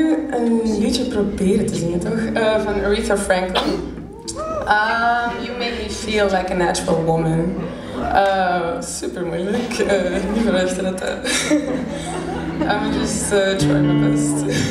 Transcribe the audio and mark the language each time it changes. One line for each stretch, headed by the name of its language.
Dutch: een liedje proberen te zingen, toch? Van Aretha Franklin.
English: You make me feel like a natural woman.
Dutch: Super moeilijk. Ik ga luisteren naar dat.
English: I'm just trying my best.